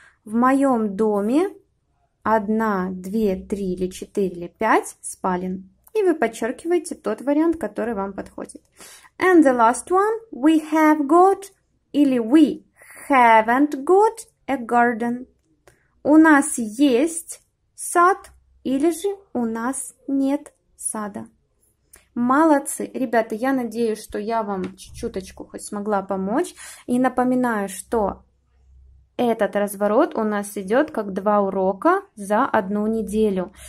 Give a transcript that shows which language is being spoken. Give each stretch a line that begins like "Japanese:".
Russian: В моем доме 1, 2, 3 или 4 или 5 спален. И вы подчеркиваете тот вариант, который вам подходит.
English: And the last one, we have got, или we haven't got a garden.
Russian: У нас есть сад, или же у нас нет сада. Молодцы! Ребята, я надеюсь, что я вам чуточку хоть смогла помочь. И напоминаю, что этот разворот у нас идет как два урока за одну неделю.